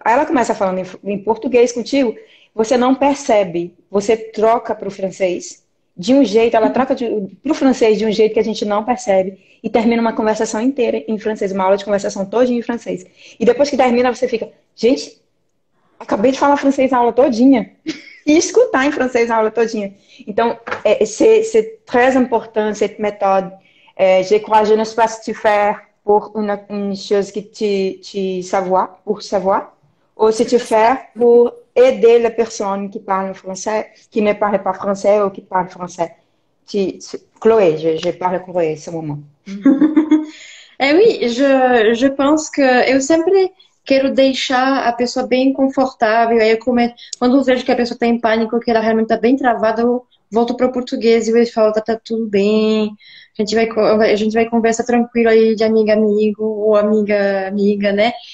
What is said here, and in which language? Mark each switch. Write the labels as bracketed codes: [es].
[pt] Aí ela começa falando em português contigo, você não percebe, você troca pro francês de um jeito, ela troca pro francês de um jeito que a gente não percebe e termina uma conversação inteira em francês, uma aula de conversação todinha em francês. E depois que termina, você fica, gente, acabei de falar francês a aula todinha. E escutar em francês a aula todinha. [fr] Então, c'est très important, cette méthode. Je crois, je ne sais pas si tu fais pour une chose que tu savoir, pour savoir, ou si tu fais pour aider la personne qui parle français, qui ne parle pas français ou qui parle français. Chloé, je parle Chloé en ce moment. Eh oui, je pense que [pt] eu sempre quero deixar a pessoa bem confortável. Aí quando eu vejo que a pessoa está em pânico, que ela realmente está bem travada, eu volto para o português e falo, tá tudo bem, a gente vai conversar tranquilo aí de amiga amigo ou amiga amiga, né?